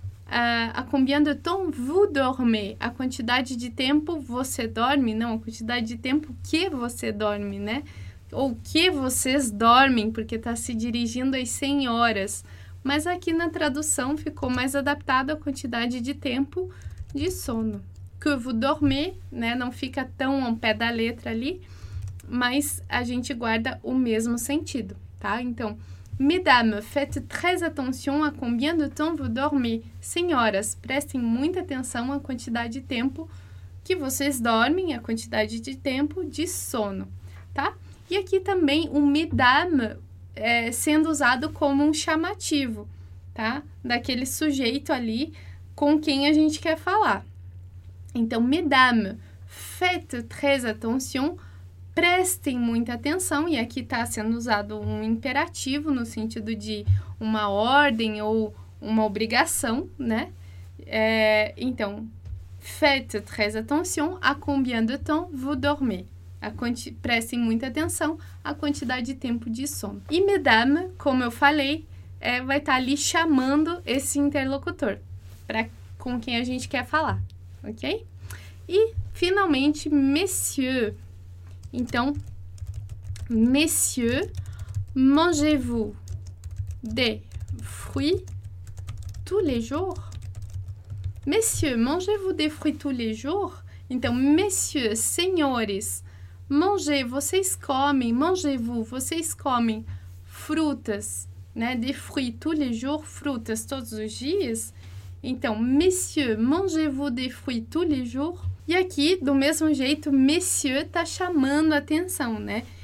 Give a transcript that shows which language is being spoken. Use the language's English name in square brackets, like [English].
[French] A combien de temps vous dormez? [Portuguese] A quantidade de tempo você dorme? Não, a quantidade de tempo que você dorme, né? Ou que vocês dormem, porque está se dirigindo às senhoras. Mas aqui na tradução ficou mais adaptado a quantidade de tempo de sono. [French] Que vous dormez, [Portuguese] né? Não fica tão ao pé da letra ali. Mas a gente guarda o mesmo sentido, tá? Então, [French] mesdames, faites très attention à combien de temps vous dormez. [Portuguese] Senhoras, prestem muita atenção à quantidade de tempo que vocês dormem, à quantidade de tempo de sono, tá? E aqui também o mesdames sendo usado como um chamativo, tá? Daquele sujeito ali com quem a gente quer falar. Então, [French] mesdames, faites très attention. [Portuguese] Prestem muita atenção, e aqui está sendo usado um imperativo no sentido de uma ordem ou uma obrigação, né? Então, [French] faites très attention à combien de temps vous dormez. [Portuguese] Prestem muita atenção à quantidade de tempo de sono. E mesdames, como eu falei, vai estar ali chamando esse interlocutor para com quem a gente quer falar, ok? E, finalmente, [French] messieurs. Então, messieurs, mangez-vous des fruits tous les jours? Messieurs, mangez-vous des fruits tous les jours? [Portuguese] Então, messieurs, senhores, vocês comem frutas, né? [French] Des fruits tous les jours, [Portuguese] frutas todos os dias. Então, [French] messieurs, mangez-vous des fruits tous les jours? [Portuguese] E aqui, do mesmo jeito, monsieur está chamando a atenção, né?